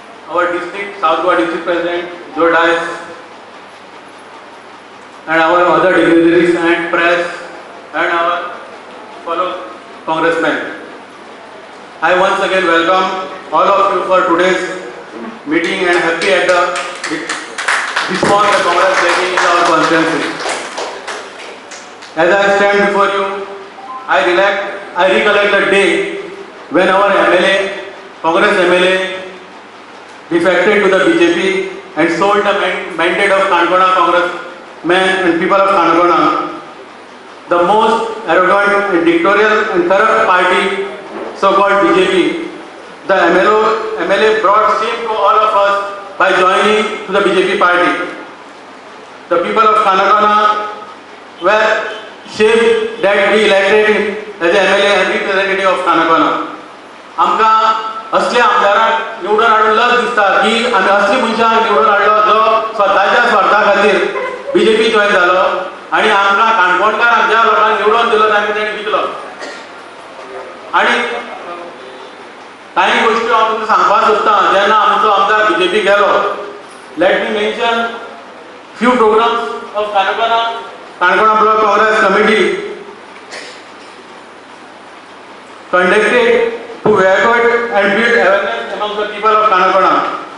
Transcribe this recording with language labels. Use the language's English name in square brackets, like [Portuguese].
[English] और district south Goa district president Joe Dias, and our other dignitaries and press and our fellow congressman, I once again welcome all of you for today's meeting and happy at the response of Congress taking in our constituency. As I stand before you I recollect the day when our MLA Congress MLA defected to the BJP and sold the mandate of Kanagona Congress men and people of Kanagona, the most arrogant and dictatorial and corrupt party, so-called BJP. The MLA brought shame to all of us by joining to the BJP party. The people of Kanagona were shamed that we elected him as a MLA and representative of Kanagona. [Konkani] आमका असले आमदारांक निवडून हाडून लज दिसता की आमी असली मनशाक निवडून हाडलो जो स्वताच्या स्वार्था खातीर BJP जॉयन झालो आनी आमकां काणकोणकारांक ज्या लोकांक निवडून दिलो तांकां तेणी जिखलो. आनी कांय गोश्टी हांव तुमकां सांगपाक सोदतां. जेन्ना आमचो आमदार BJP गेलो, [English] Let me mention few programmes of Canacona block Congress committee conducted to record and build awareness among the people of Kanagona.